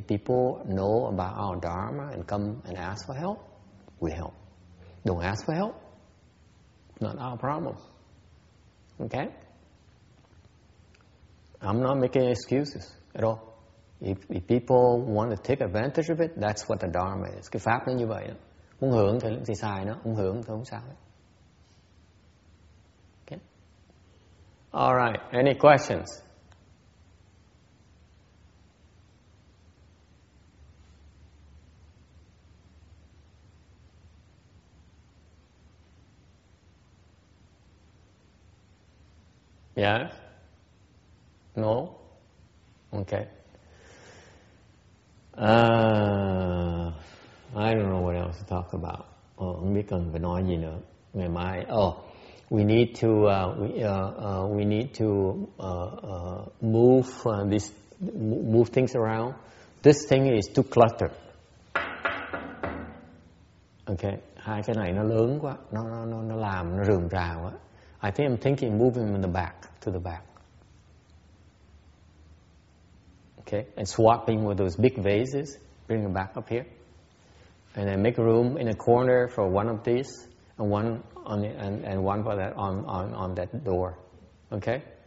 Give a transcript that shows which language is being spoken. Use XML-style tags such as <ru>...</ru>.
<en>People know about our dharma and come and ask for help. We help. Don't ask for help. Not our problem. Okay? I'm not making excuses at all. If people want to take advantage of it, that's what the dharma is.</en> <vi>Cái pháp nó như vậy đó. Muốn hưởng thì xài nó, không hưởng thì không sao.</vi> <en>Okay. All right, any questions? Yeah. No? Okay. I don't know what else to talk about.</en> <vi>Oh, không biết cần phải nói gì nữa. Ngày mai.</vi> <en>Oh, we need to move things around. This thing is too cluttered. Okay.</en> <vi>hai cái này nó lớn quá, nó làm nó rườm rà quá.</vi> <en>I think I'm thinking moving in the back, to the back. Okay, and swapping with those big vases, bring them back up here. And then make room in a corner for one of these, and one on the, and one for that on that door. Okay?</en>